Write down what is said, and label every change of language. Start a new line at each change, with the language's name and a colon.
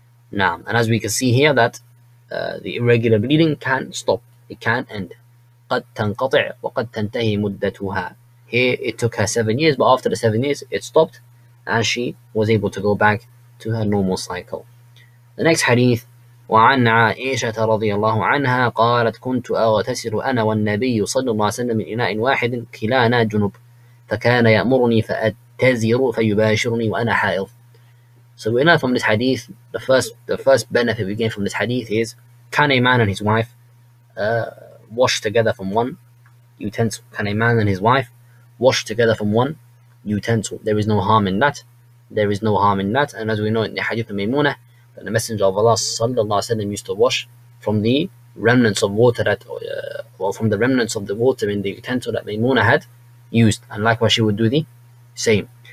English: Now, and as we can see here, that the irregular bleeding can stop. It can end.
Arabic: قَدْ تَنْقَطِعْ وَقَدْ تَنْتَهِي مُدَّتُهَا.
English: Here, it took her 7 years, but after the 7 years, it stopped, and she was able to go back to her normal cycle. The next hadith,
Arabic: وعن عائشة رضي الله عنها قالت كنت أغتسل أنا والنبي صلى الله عليه وسلم من إناء واحد كلانا جنب فكان يأمرني فأتزر فيباشرني وأنا حائض.
English: So we know from this hadith, the first benefit we gain from this hadith is, can a man and his wife wash together from one utensil? Can a man and his wife wash together from one utensil? There is no harm in that. There is no harm in that. And as we know in the hadith of Maymunah, that the Messenger of Allah sallallahu alaihi wasallam used to wash from the remnants of water from the remnants of the water in the utensil that Maymunah had used, and likewise she would do the same.